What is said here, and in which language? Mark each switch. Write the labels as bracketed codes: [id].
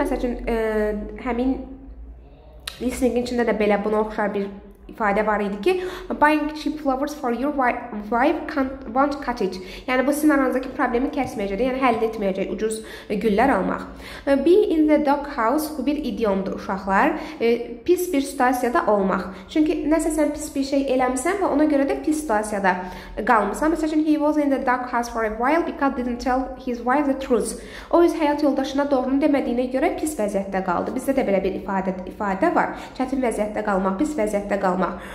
[az] Məsəl üçün həmin listening içində də belə buna oxşar bir ifadə var idi ki, [en] buying cheap flowers for your wife won't cut it. [az] Yəni, bu sizin aranızdakı problemi kəsməyəcəkdir, yəni həll etməyəcək ucuz güllər almaq. [en] Be in the doghouse, [az] bu bir idiomdur uşaqlar. Pis bir situasiyada olmaq. Çünki nəsə sən pis bir şey eləmsən və ona görə də pis situasiyada qalmışsan. Məsəl üçün, [en] he was in the doghouse for a while because didn't tell his wife the truth. [az] O, öz həyat yoldaşına doğru demədiyinə görə pis vəziyyətdə qaldı. Bizdə də belə bir ifadə var. Çətin vəziyyətdə qalmaq, pis vəziyyətdə qalmaq.